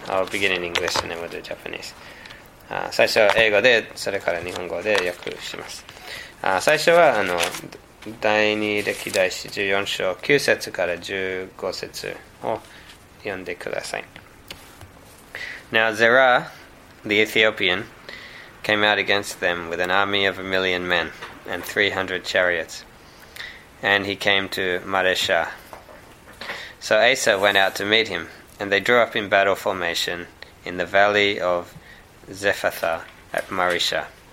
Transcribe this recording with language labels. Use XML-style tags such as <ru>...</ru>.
<en>I'll begin in English and then we'll do Japanese.</en> <ja>最初は英語で、それから日本語で訳します。最初は第二歴代史14章9節から15節を読んでください。</ja> <en>Now Zerah the Ethiopian came out against them with an army of 1,000,000 men and 300 chariots. And he came to Mareshah. So Asa went out to meet him, and they drew up in battle formation in the valley of Zephathah at Mareshah.</en>